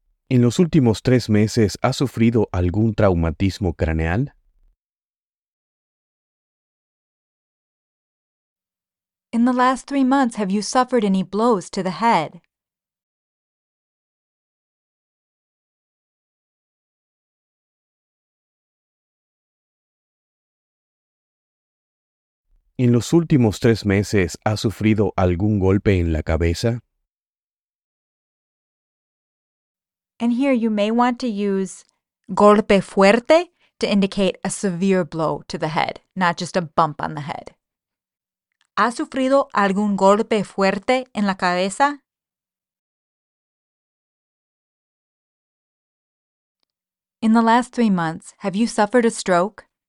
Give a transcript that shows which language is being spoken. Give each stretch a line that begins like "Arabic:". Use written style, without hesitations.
Spanish: En los últimos 3 meses, ¿has sufrido algún traumatismo craneal?
English: In the last 3 months, have you suffered any blows to the head?
Spanish: En los últimos 3 meses, ¿has sufrido algún golpe en la cabeza?
English: And here you may want to use
Spanish: golpe fuerte
English: to indicate a severe blow to the head, not just a bump on the head.
Spanish: ¿Has sufrido algún golpe fuerte en la cabeza?
English: In the last 3 months, have you suffered a stroke?